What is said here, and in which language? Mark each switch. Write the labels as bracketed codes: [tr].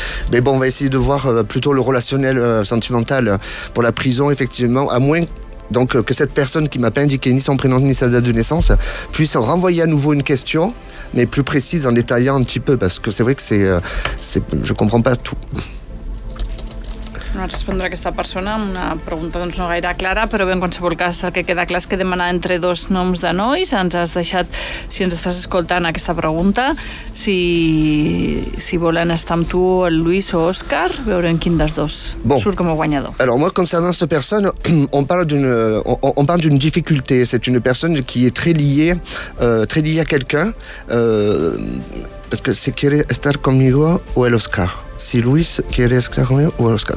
[fr] Mais bon, on va essayer de voir plutôt le relationnel sentimental pour la prison, effectivement, à moins donc, que cette personne qui m'a pas indiqué ni son prénom ni sa date de naissance puisse renvoyer à nouveau une question, mais plus précise en détaillant un petit peu, parce que c'est vrai que c'est, je comprends pas tout. [ca] No respondre a aquesta persona amb una pregunta doncs, no gaire clara, però bé, en qualsevol cas el que queda clar és que demanar entre dos noms de nois, ens has deixat, si ens estàs escoltant aquesta pregunta, si volen estar amb tu el Lluís o Òscar, veurem quin dels dos bon. Surt com a guanyador. [fr] Alors moi, concernant cette personne, on parle d'une difficulté, c'est une personne qui est très liée à quelqu'un, parce que [es] si quiere estar conmigo o el Oscar. Si Louis quiere estar conmigo o el Oscar.